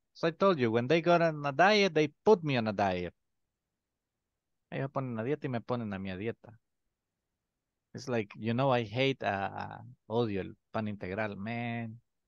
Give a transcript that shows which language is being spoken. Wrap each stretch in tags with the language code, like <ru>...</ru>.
<en>So I told you, when they got on a diet, they put me on a diet.</en> <es>Ellos ponen a dieta y me ponen a mi dieta.</es> <en>It's like, you know, I hate,</en> <es>odio el pan integral,</es> <en>man.</en>